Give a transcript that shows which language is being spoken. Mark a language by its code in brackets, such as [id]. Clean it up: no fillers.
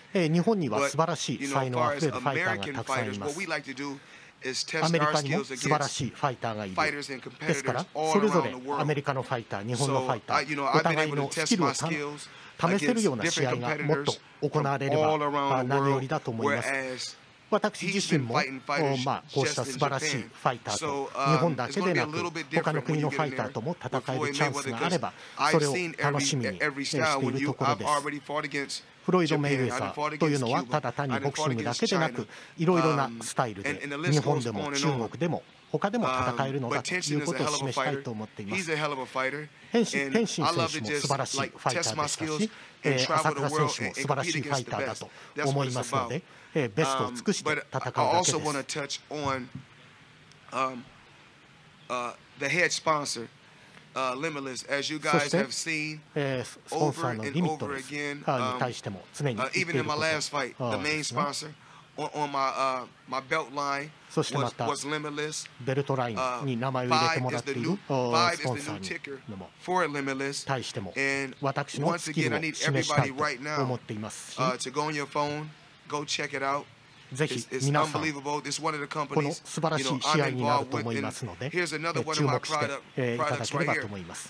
[en] But, you know, as far as American fighters, what we like to do is test our skills against fighters and competitors all around the world. So, you know, I've been able to test my skills against different competitors all around the world, whereas [ja] 私自身も、こうした素晴らしいファイターと日本だけでなく他の国のファイターとも戦えるチャンスがあればそれを楽しみにしているところです。フロイド・メイウェザーというのはただ単にボクシングだけでなくいろいろなスタイルで日本でも中国でも他でも戦えるのだということを示したいと思っています。天心選手も素晴らしいファイターでしたし、浅倉選手も素晴らしいファイターだと思いますので、ベストを尽くして戦うだけです。 [en] The head sponsor, Limitless, as you guys have seen over and over again, even in my last fight, the main sponsor. On my belt line was Limitless. [ja] ベルトラインに名前を入れてもらっている [en] five is the new ticker for Limitless. [ja] 対しても私のスキルを示したいと思っていますし、 [en] to go on your phone, go check it out. [ja] ぜひ皆さん、この素晴らしい試合になると思いますので、注目していただければと思います。